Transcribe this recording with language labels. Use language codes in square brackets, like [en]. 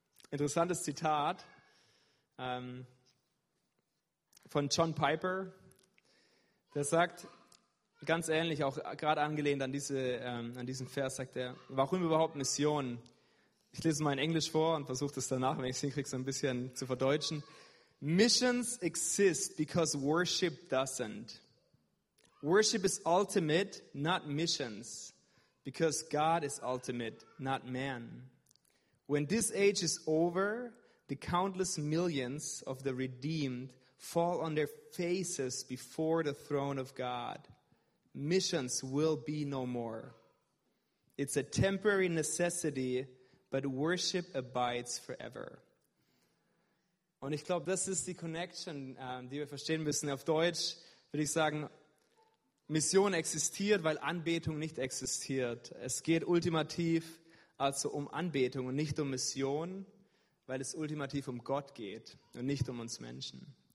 [de] Interessantes Zitat von John Piper, der sagt, ganz ähnlich, auch gerade angelehnt an diese an diesen Vers, sagt er, warum überhaupt Mission? Ich lese mal in Englisch vor und versuche das danach, wenn ich es hinkriege, so ein bisschen zu verdeutschen. [en] Missions exist because worship doesn't. Worship is ultimate, not missions. Because God is ultimate, not man. When this age is over, the countless millions of the redeemed fall on their faces before the throne of God. Missions will be no more. It's a temporary necessity, but worship abides forever. [de] Und ich glaube, das ist die Connection, die wir verstehen müssen. Auf Deutsch würde ich sagen, Mission existiert, weil Anbetung nicht existiert. Es geht ultimativ also um Anbetung und nicht um Mission, weil es ultimativ um Gott geht und nicht um uns Menschen.